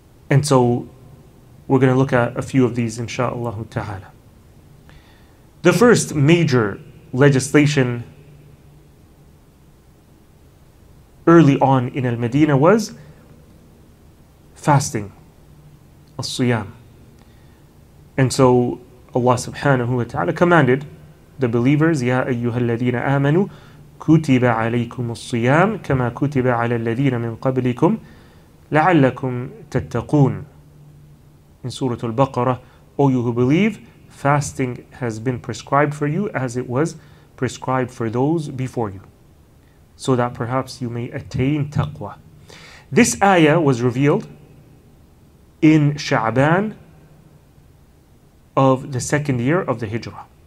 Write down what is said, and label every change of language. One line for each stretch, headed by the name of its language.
English: And so, we're going to look at a few of these, insha'Allah ta'ala. The first major legislation early on in Al-Madinah was fasting, al-siyam. And so Allah subhanahu wa ta'ala commanded the believers,
Arabic: يَا أَيُّهَا الَّذِينَ آمَنُوا كُتِبَ عَلَيْكُمُ الصِّيَامُ كَمَا كُتِبَ عَلَى الَّذِينَ مِنْ قَبْلِكُمْ لَعَلَّكُمْ تَتَّقُونَ.
English: In Surah Al-Baqarah, O you who believe, fasting has been prescribed for you as it was prescribed for those before you, so that perhaps you may attain taqwa. This ayah was revealed in Sha'ban of the second year of the Hijrah.